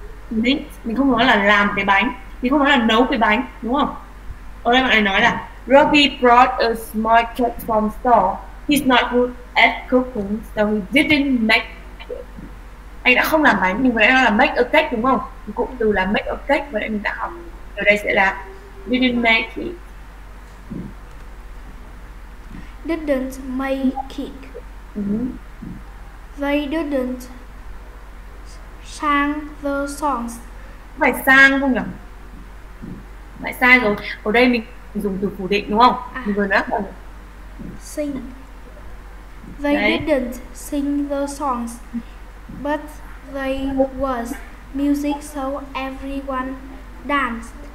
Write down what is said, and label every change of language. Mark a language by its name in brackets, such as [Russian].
[Vietnamese] Mình không nói là làm cái bánh, mình không nói là nấu cái bánh, đúng không? Ở đây bạn ấy nói là [English] Robbie brought a small cake from store. He's not good at cooking, so he didn't make it. [Vietnamese] Anh đã không làm bánh, mình vừa nói là [English] make a cake, [Vietnamese] đúng không? Cụm từ là make a cake, vậy mình đã học. Ở đây sẽ là [English] didn't make it. Didn't make it. They didn't sang the songs. [Vietnamese] Phải sang không nhỉ? Phải sai rồi. Ở đây mình dùng từ phủ định đúng không? À, mình vừa nói rồi. [English] Sing. They đấy. Didn't sing the songs, but they was music, so everyone danced.